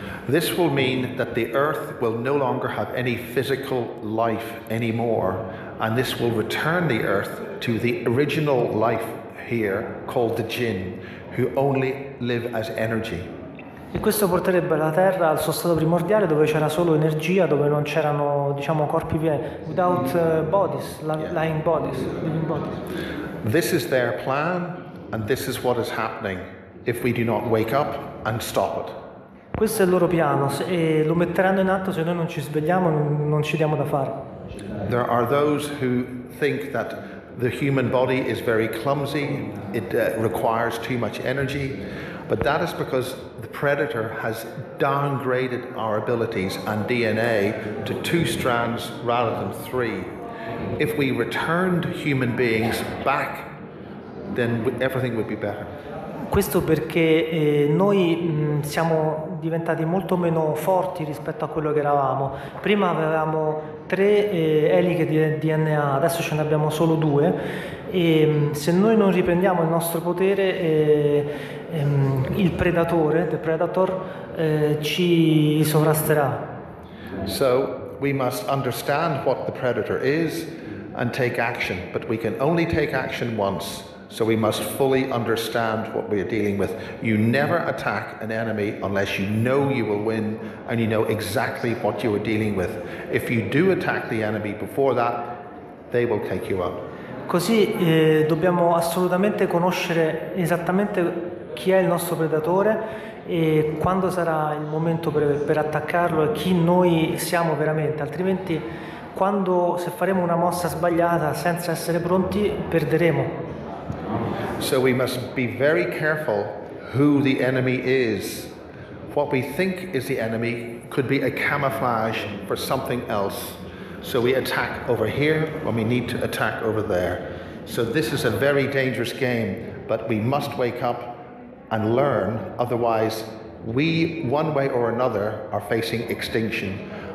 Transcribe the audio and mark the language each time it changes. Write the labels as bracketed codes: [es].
[en] This will mean that the Earth will no longer have any physical life anymore, and this will return the Earth to the original life here called the Jinn, who only live as energy. [it] E questo porterebbe la Terra al suo stato primordiale dove c'era solo energia, dove non c'erano, diciamo, corpi pieni, [en] without bodies, lying bodies, living bodies. This is their plan, and this is what is happening if we do not wake up and stop it. [it] Questo è il loro piano e lo metteranno in atto se noi non ci svegliamo, non ci diamo da fare. [en] There are those who think that the human body is very clumsy, it requires too much energy, but that is because the predator has downgraded our abilities and DNA to two strands rather than three. If we returned human beings back, then everything would be better. [it] Questo perché noi siamo diventati molto meno forti rispetto a quello che eravamo. Prima avevamo 3 eliche di DNA, adesso ce ne abbiamo solo 2, e se noi non riprendiamo il nostro potere, il predatore, [en] the predator, [it] ci sovrasterà. [en] So we must understand what the predator is and take action, but we can only take action once. So we must fully understand what we are dealing with. You never attack an enemy unless you know you will win and you know exactly what you are dealing with. If you do attack the enemy before that, they will take you out. [it] Così dobbiamo assolutamente conoscere esattamente chi è il nostro predatore e quando sarà il momento per attaccarlo e chi noi siamo veramente, altrimenti quando se faremo una mossa sbagliata senza essere pronti perderemo. [en] So we must be very careful who the enemy is. What we think is the enemy could be a camouflage for something else. So we attack over here when we need to attack over there. So this is a very dangerous game, but we must wake up and learn, otherwise we, one way or another, are facing extinction.